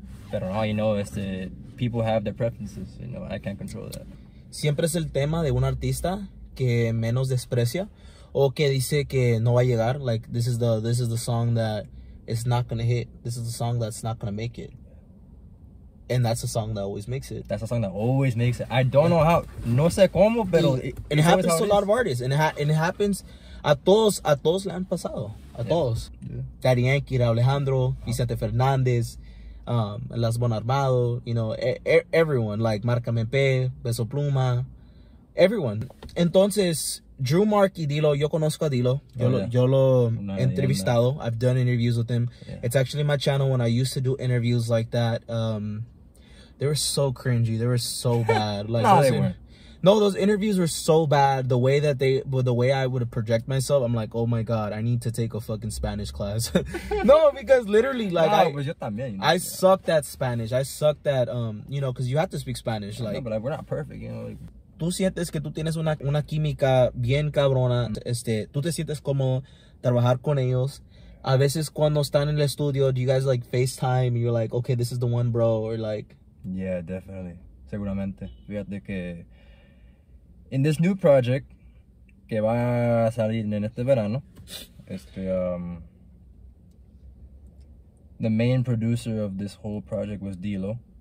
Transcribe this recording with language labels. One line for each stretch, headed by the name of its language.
Spanish: Pero no,
English: you know, este, people have their preferences. You know, I can't control that.
Spanish: Siempre es el tema de un artista que menos desprecia o que dice que no va a llegar.
English: Like, this is the song that is not going to hit. This is the song that's not going to make it. And that's a song that always makes it. That's a song that always makes it. I don't know how.
Spanish: No sé cómo, pero...
English: It happens to a lot of artists. And it happens...
Spanish: A todos le han pasado. A todos.
English: Yeah. Daddy Yankee, Raúl Alejandro, Vicente Fernández, Las Bon Armado, you know, everyone. Like, Marca Mempe, Beso Pluma, everyone.
Spanish: Entonces, Drewmark y Dilo, yo conozco a Dilo. Yo lo he entrevistado.
English: Yeah, I've done interviews with him. Yeah. It's actually my channel when I used to do interviews like that. They were so cringy. They were so bad. Like, no, they weren't. No, those interviews were so bad. The way I would project myself, I'm like, oh my god, I need to take a fucking Spanish class. No, because literally, like, sucked at Spanish. I sucked at, you know, because you have to speak Spanish. Like, no, but like, we're not perfect, you know. Like,
Spanish: tú sientes que tú tienes una química bien cabrona. Este, tú te sientes como trabajar con ellos. A veces cuando están en el estudio,
English: do you guys like FaceTime? You're like, okay, this is the one, bro, or like. Yeah, definitely.
Spanish: Seguramente. Fíjate que
English: in this new project
Spanish: que va a salir en este verano, este,
English: the main producer of this whole project was Dilo.